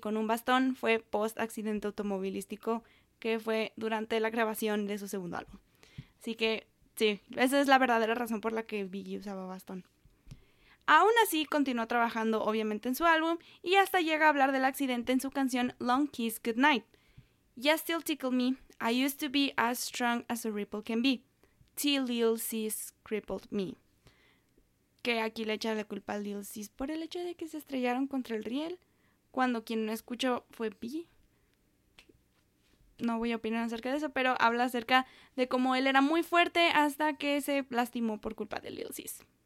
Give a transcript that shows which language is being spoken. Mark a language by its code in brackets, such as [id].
[es] con un bastón fue post-accidente automovilístico, que fue durante la grabación de su segundo álbum. Así que, sí, esa es la verdadera razón por la que Biggie usaba bastón. Aún así, continuó trabajando obviamente en su álbum y hasta llega a hablar del accidente en su canción Long Kiss Goodnight. [en] You still tickle me, I used to be as strong as a ripple can be, till Lil Sis crippled me. [es] Que aquí le echa la culpa a Lil Sis por el hecho de que se estrellaron contra el riel, cuando quien no escuchó fue Biggie. No voy a opinar acerca de eso, pero habla acerca de cómo él era muy fuerte hasta que se lastimó por culpa de Lil Sis.